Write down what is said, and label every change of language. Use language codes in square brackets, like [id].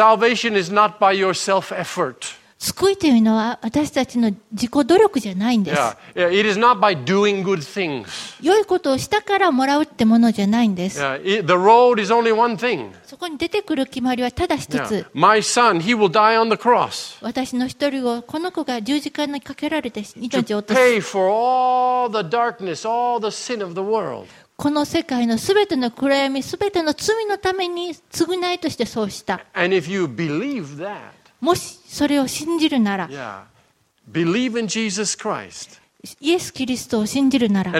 [en] Salvation is not by your self-effort. [ja] 救いというのは私たちの自己努力じゃないんです。 [en] Yeah. It is not by doing good things. [ja] 良いことをしたからもらうってものじゃないんです。 [en] Yeah. The road is only one thing. [ja] そこに出てくる決まりはただ一つ。 [en] Yeah. My son, he will die on the cross. [ja] 私の一人をこの子が十字架にかけられて命を落とす。 [en] To pay for all the darkness, all the sin of the world. [ja] この世界のすべての暗闇、すべての罪のために償いとしてそうした。 [en] And if you believe that, [ja] もしそれを信じるなら、 [en] believe in Jesus Christ. [ja] イエス・キリストを信じるなら、